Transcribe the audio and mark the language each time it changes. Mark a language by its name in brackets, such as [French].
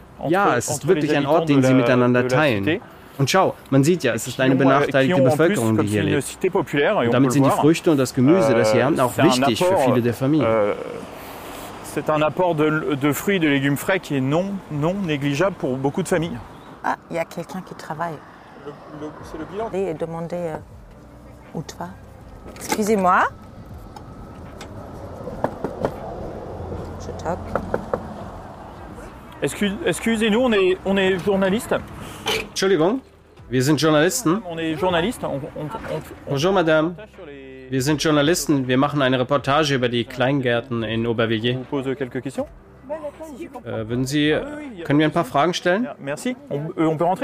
[German] Ja, es ist wirklich ein Ort, den sie miteinander teilen. Und schau, man sieht ja, es ist eine benachteiligte Bevölkerung, die hier lebt. Und damit sind die Früchte und das Gemüse, das sie haben, auch wichtig für viele der Familien. [French] C'est un apport de fruits et de légumes frais qui est non négligeable pour beaucoup de familles. Ah, il y a quelqu'un qui travaille. C'est le bilan. Allez, demandez où tu vas. Excusez-moi. Je toque. Excusez-nous, on est journalistes. [German] Entschuldigung, wir sind Journalisten. [French] On est journalistes. Bonjour, madame. [German] Wir sind Journalisten, wir machen eine Reportage über die Kleingärten in Aubervilliers. Können wir ein paar Fragen stellen? [French] Merci. On peut rentrer?